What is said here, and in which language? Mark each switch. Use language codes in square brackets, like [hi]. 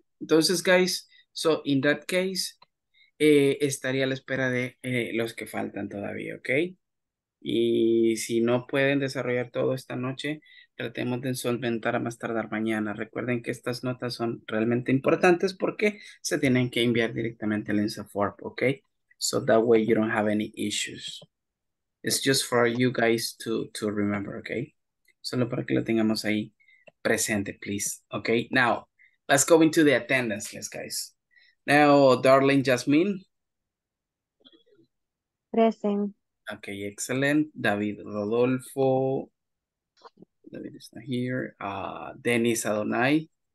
[es] Entonces, guys, so in that case. Estaría a la espera de los que faltan todavía, ¿ok? Y si no pueden desarrollar todo esta noche, tratemos de solventar a más tardar mañana. Recuerden que estas notas son realmente importantes porque se tienen que enviar directamente al INSAFORP, ¿ok? [en] So that way you don't have any issues. It's just for you guys to remember, ¿ok? [es] Solo para que lo tengamos ahí presente, please, ¿ok? [en] Now, let's go into the attendance list, guys. Now, darling Jasmine. Present. Okay, excellent. David Rodolfo. David is not here. Dennis Adonai.